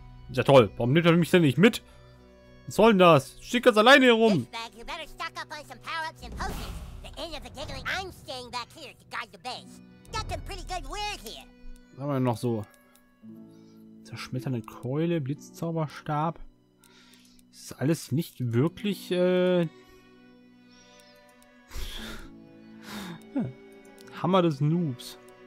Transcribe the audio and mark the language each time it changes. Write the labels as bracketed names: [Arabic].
[German] Ja toll, warum nimmt er mich denn nicht mit? Was soll denn das? Schick das alleine hier rum! [English] Douchebag, you better stock up on some power-ups and potions. [German] Was haben wir denn noch so? Zerschmetternde Keule, Blitzzauberstab. Das ist alles nicht wirklich, Hammer des Noobs.